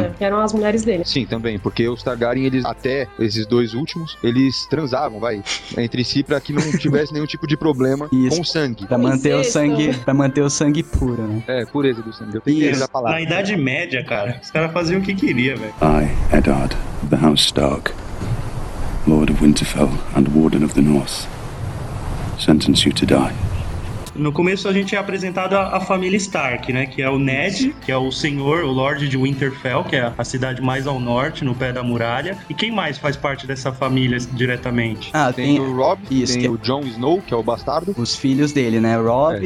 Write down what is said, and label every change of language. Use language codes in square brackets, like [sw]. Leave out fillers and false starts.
[pt] É, eram as mulheres dele. Sim, também, porque os Targaryen, eles, até esses dois últimos, eles transavam, vai, entre si, pra que não tivesse nenhum tipo de problema isso. Com sangue. Pra manter o sangue. Pra manter o sangue puro, né? É, pureza do sangue. Eu tenho que usar a palavra. Na Idade Média, cara, os caras faziam o que queria, velho. [en] I, Eddard, the House Stark, Lord of Winterfell and Warden of the North, sentence you to die. [pt] No começo a gente é apresentado a família Stark, né? Que é o Ned, que é o senhor, o Lorde de Winterfell, que é a cidade mais ao norte, no pé da muralha. E quem mais faz parte dessa família diretamente? Ah, tem o Robb, tem o Jon Snow, que é o bastardo. Os filhos dele, né? Robb.